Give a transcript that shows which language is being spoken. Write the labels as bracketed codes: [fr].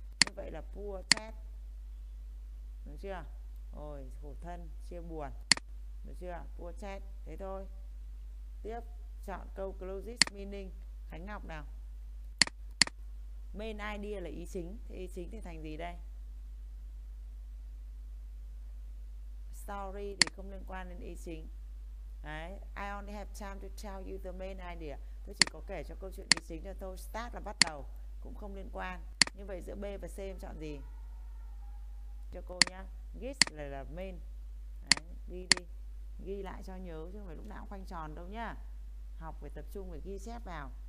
[vi] Như vậy là [en] poor Ted. [vi] Được chưa? Rồi khổ thân, chia buồn. Được chưa? Poor Ted. Thế thôi. Tiếp chọn câu closest meaning. Khánh Ngọc nào. Main idea là ý chính. Thế ý chính thì thành gì đây? Story thì không liên quan đến ý chính. Đấy, [en] I only have time to tell you the main idea. [vi] Tôi chỉ có kể cho câu chuyện ý chính cho tôi. Start là bắt đầu, cũng không liên quan. Như vậy giữa B và C em chọn gì? Cho cô nhá. Get là main. Đấy, ghi đi. Ghi lại cho nhớ, chứ không phải lúc nào cũng khoanh tròn đâu nhá. Học phải tập trung, phải ghi chép vào.